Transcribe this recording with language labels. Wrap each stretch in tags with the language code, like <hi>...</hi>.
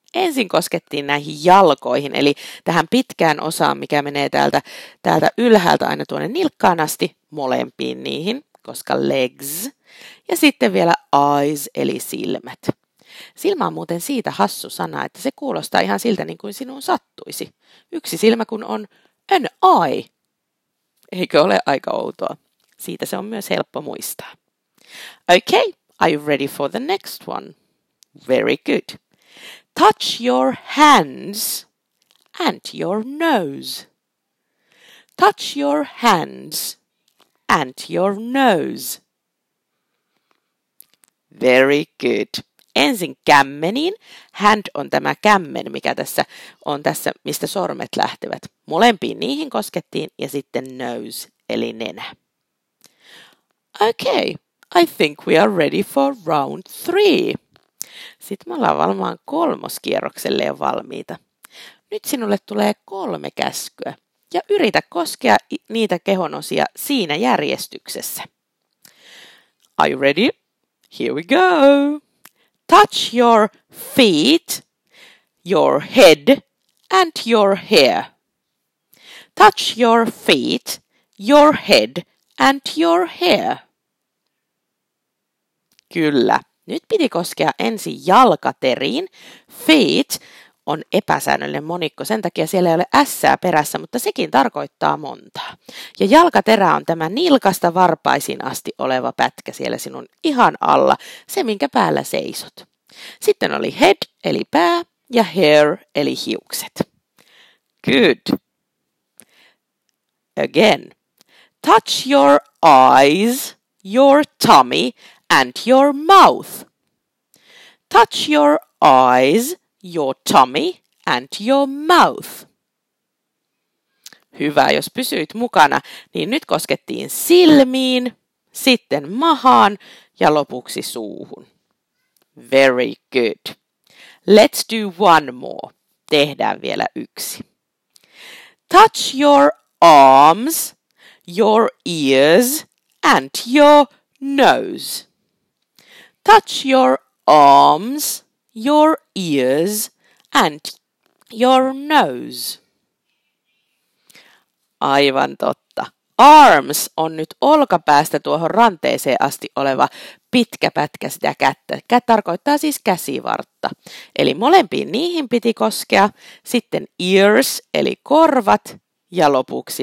<fi>Ensin koskettiin näihin jalkoihin, eli tähän pitkään osaan, mikä menee täältä ylhäältä aina tuonne nilkkaan asti, molempiin niihin, koska legs. Ja sitten vielä eyes, eli silmät. Silmä on muuten siitä hassu sana, että se kuulostaa ihan siltä, niin kuin sinun sattuisi. Yksi silmä kun on an eye. Eikö ole aika outoa? Siitä se on myös helppo muistaa.</fi> <en>Okay, are you ready for the next one? Very good. Touch your hands and your nose. Touch your hands and your nose. Very good.</en> <fi>Ensin kämmeniin. Hand on tämä kämmen, mikä tässä on tässä, mistä sormet lähtevät. Molempiin niihin koskettiin ja sitten nose, eli nenä.</fi> <en>Okay, I think we are ready for round three.</en> <fi>Sitten me ollaan varmaan kolmoskierrokselle jo valmiita. Nyt sinulle tulee kolme käskyä ja yritä koskea niitä kehonosia siinä järjestyksessä.</fi> <en>Are you ready? Here we go! Touch your feet, your head and your hair. Touch your feet, your head and your hair.</en> <fi>Kyllä. Nyt piti koskea ensin jalkateriin. Feet on epäsäännöllinen monikko, sen takia siellä ei ole ässää perässä, mutta sekin tarkoittaa montaa. Ja jalkaterä on tämä nilkasta varpaisiin asti oleva pätkä siellä sinun ihan alla, se minkä päällä seisot. Sitten oli head, eli pää, ja hair, eli hiukset.</fi> <en>Good. Again. Touch your eyes, your tummy, and your mouth. Touch your eyes, your tummy, and your mouth.</en> <fi>Hyvä, jos pysyit mukana, niin nyt koskettiin silmiin, sitten mahaan ja lopuksi suuhun.</fi> <en>Very good. Let's do one more.</en> <fi>Tehdään vielä yksi.</fi> <en>Touch your arms, your ears, and your nose. Touch your arms, your ears, and your nose.</en> <fi>Aivan totta. Arms on nyt olkapäästä tuohon ranteeseen asti oleva pitkä pätkä sitä kättä. Kät tarkoittaa siis käsivartta. Eli molempiin niihin piti koskea, sitten ears, eli korvat, ja lopuksi nose, eli nenä.</fi> <en>Well done.</en>